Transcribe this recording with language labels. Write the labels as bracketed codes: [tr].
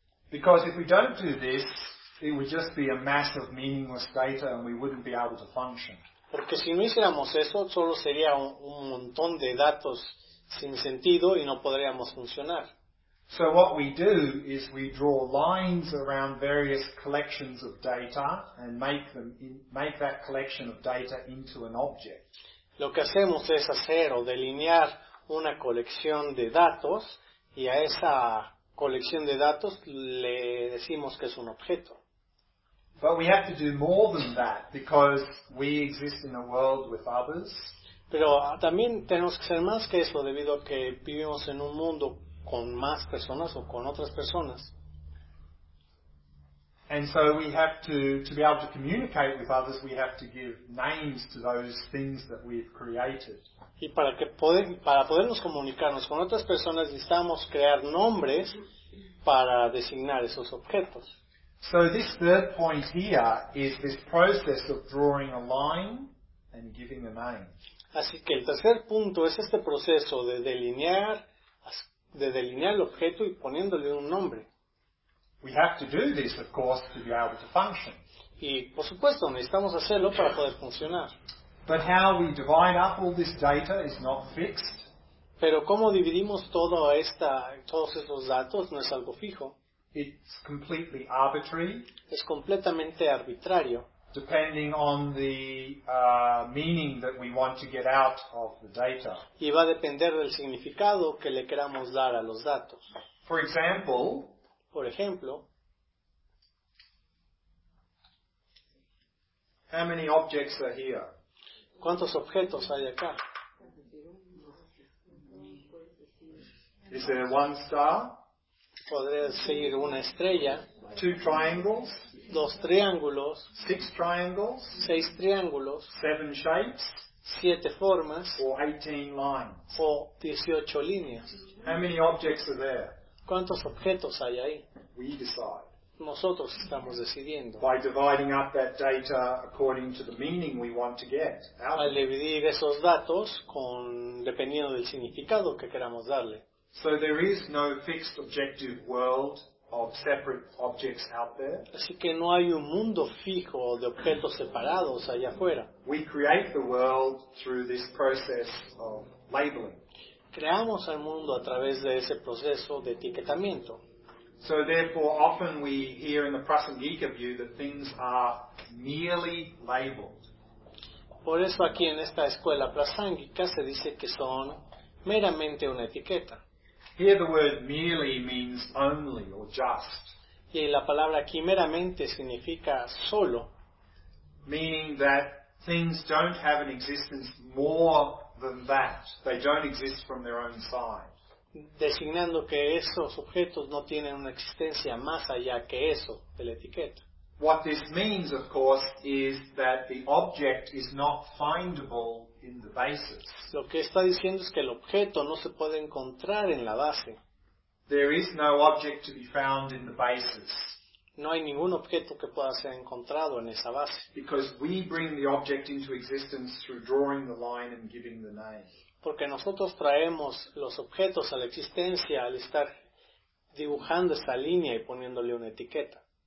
[en] Because if we don't do this, it would just be a mass of meaningless data and we wouldn't be able to function. [es] Porque si no hiciéramos eso, solo sería un montón de datos sin sentido y no podríamos funcionar. [en] So what we do is we draw lines around various collections of data and make that collection of data into an object. [es] Lo que hacemos es hacer o delinear una colección de datos y a esa colección de datos le decimos que es un objeto. [en] But we have to do more than that because we exist in a world with others. [es] Pero también tenemos que ser más que eso debido a que vivimos en un mundo con más personas o con otras personas. [en] And so we have to be able to communicate with others, we have to give names to those things that we've created. [es] Y para podernos comunicarnos con otras personas, necesitamos crear nombres para designar esos objetos. [en] So this third point here is this process of drawing a line and giving a name. [es] Así que el tercer punto es este proceso de delinear el objeto y poniéndole un nombre. [en] We have to do this, of course, to be able to function. [es] Y, por supuesto, necesitamos hacerlo para poder funcionar. [en] But how we divide up all this data is not fixed. [es] Pero cómo dividimos todos estos datos no es algo fijo. [en] It's completely arbitrary. [es] Es completamente arbitrario. [en] Depending on the meaning that we want to get out of the data. [es] Y va a depender del significado que le queramos dar a los datos. [en] For example, [es] por ejemplo, [en] how many objects are here? [es] ¿Cuántos objetos hay acá? [en] Is there one star? [es] ¿Podría decir una estrella? [en] Two triangles? [es] Dos triángulos. [en] Six triangles? [es] Seis triángulos. [en] Seven shapes? [es] Siete formas. [en] Or 18 lines? [es] O 18 líneas. [en] How many objects are there? [es] ¿Cuántos objetos hay ahí? [en] We decide. [es] Nosotros estamos decidiendo. [en] By dividing up that data according to the meaning we want to get. [es] Al dividir esos datos dependiendo del significado que queramos darle. [en] So there is no fixed objective world of separate objects out there. [es] Así que no hay un mundo fijo de objetos separados allá afuera. [en] We create the world through this process of labeling. [es] Creamos al mundo a través de ese proceso de etiquetamiento. [en] So therefore, often we hear in the Prasangika view that things are merely labeled. [es] Por eso aquí en esta escuela Prasangika se dice que son meramente una etiqueta. [en] Here the word merely means only or just. [es] Y la palabra aquí meramente significa solo. [en] Meaning that things don't have an existence more than that. They don't exist from their own side. [es] Designando que esos objetos no tienen una existencia más allá que eso, de la etiqueta. [en] What this means, of course, is that the object is not findable in the basis. [es] Lo que está diciendo es que el objeto no se puede encontrar en la base. [en] There is no object to be found in the basis. [es] No hay ningún objeto que pueda ser encontrado en esa base. [en] Because we bring the object into existence through drawing the line and giving the name. [es] Porque nosotros traemos los objetos a la existencia al estar dibujando esa línea y poniéndole una etiqueta.